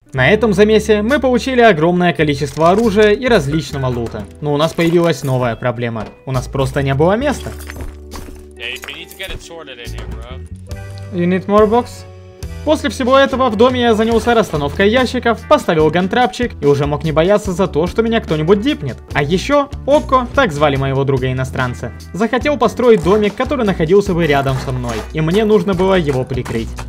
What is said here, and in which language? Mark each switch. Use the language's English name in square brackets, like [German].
[Russian] На этом замесе мы получили огромное количество оружия и различного лута. Но у нас появилась новая проблема. У нас просто не было места. [English] Yeah, you need to get it sorted in here, bro. You need more box? [Russian] После всего этого в доме я занялся расстановкой ящиков, поставил гантрапчик и уже мог не бояться за то, что меня кто-нибудь дипнет. А еще Окко, так звали моего друга-иностранца, захотел построить домик, который находился бы рядом со мной, и мне нужно было его прикрыть.